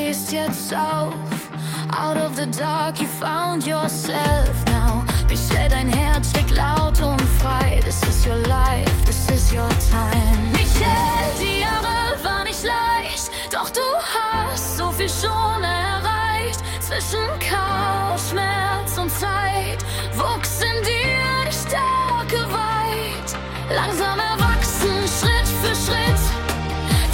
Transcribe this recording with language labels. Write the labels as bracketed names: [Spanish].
[German] Jetzt auf. [English] Out of the dark, you found yourself now. [German] Michel, dein Herz schlägt laut und frei. [English] This is your life, this is your time. [German] Michel, die Jahre waren nicht leicht. Doch du hast so viel schon erreicht. Zwischen Chaos, Schmerz und Zeit wuchs in dir die Stärke weit. Langsam erwachsen, Schritt für Schritt.